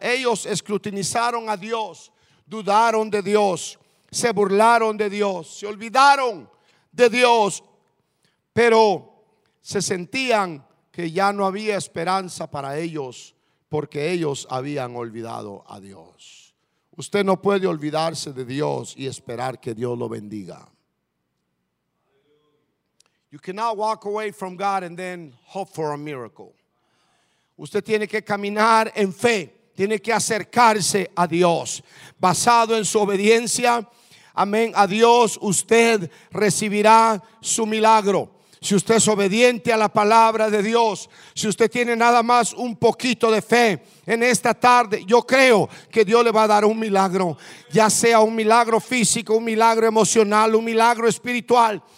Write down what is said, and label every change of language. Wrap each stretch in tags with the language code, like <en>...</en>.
<es>Ellos escrutinizaron a Dios, dudaron de Dios, se burlaron de Dios, se olvidaron de Dios, pero se sentían que ya no había esperanza para ellos porque ellos habían olvidado a Dios. Usted no puede olvidarse de Dios y esperar que Dios lo bendiga.</es> <en>You cannot walk away from God and then hope for a miracle.</en> <es>Usted tiene que caminar en fe, tiene que acercarse a Dios basado en su obediencia. Amén. A Dios usted recibirá su milagro. Si usted es obediente a la palabra de Dios, si usted tiene nada más un poquito de fe en esta tarde, yo creo que Dios le va a dar un milagro, ya sea un milagro físico, un milagro emocional, un milagro espiritual.</es>